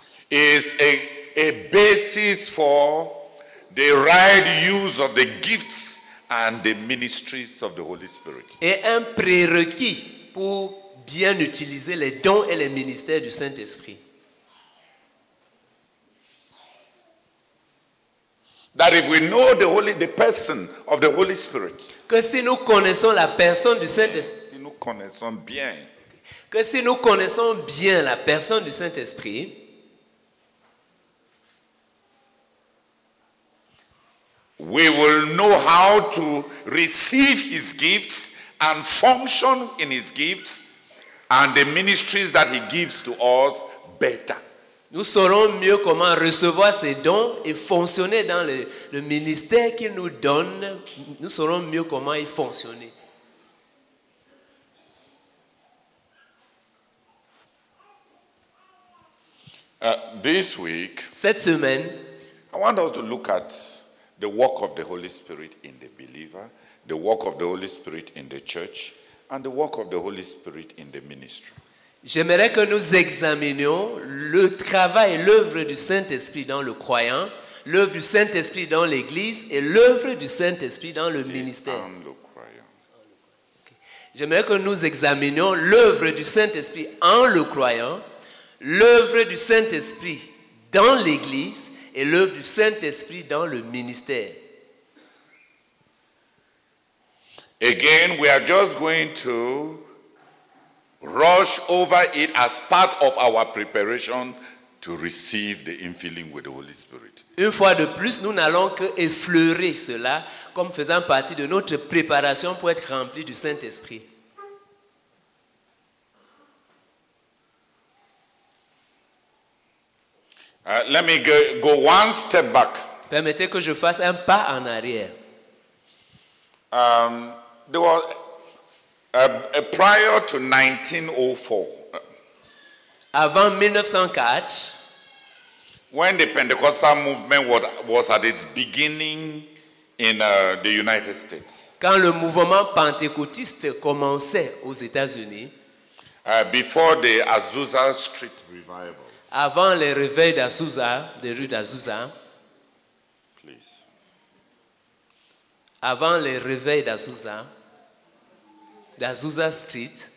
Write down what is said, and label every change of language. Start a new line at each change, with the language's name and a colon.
English: is a basis for the right use of the gifts and the ministries of the Holy Spirit.
French: Est un prérequis pour bien utiliser les dons et les ministères du Saint-Esprit.
English: That if we know the person of the Holy Spirit.
French: Que si nous connaissons la personne du Saint-Esprit. Si nous connaissons bien. Que si nous connaissons bien la personne du Saint-Esprit.
English: We will know how to receive his gifts and function in his gifts and the ministries that he gives to us better.
French: Nous saurons mieux comment recevoir ses dons et fonctionner dans le ministère qu'il nous donne. Nous saurons mieux comment y fonctionner.
English: This week,
French: cette semaine,
English: I want us to look at the work of the Holy Spirit in the believer. The work of the Holy Spirit in the church and the work of the Holy Spirit in the ministry.
French: J'aimerais que nous examinions le travail, l'œuvre du Saint-Esprit dans le croyant, l'œuvre du Saint-Esprit dans l'Église et l'œuvre du Saint-Esprit dans le ministère. En le croyant. J'aimerais que nous examinions l'œuvre du Saint-Esprit en le croyant, l'œuvre du Saint-Esprit dans l'Église et l'œuvre du Saint-Esprit dans le ministère.
English: Again, we are just going to rush over it as part of our preparation to receive the infilling with the Holy Spirit.
French: Une fois de plus, nous n'allons que effleurer cela comme faisant partie de notre préparation pour être rempli du Saint-Esprit.
English: Let me go one step back.
French: Permettez que je fasse un pas en arrière.
English: There was prior to 1904.
French: Avant 1904,
English: when the Pentecostal movement was at its beginning in the United States.
French: Quand le mouvement pentecôtiste commençait aux États-Unis.
English: Before the Azusa Street revival.
French: Avant les réveils d'Azusa, des rues d'Azusa.
English: Please.
French: Avant les réveils d'Azusa. D'Azusa Street.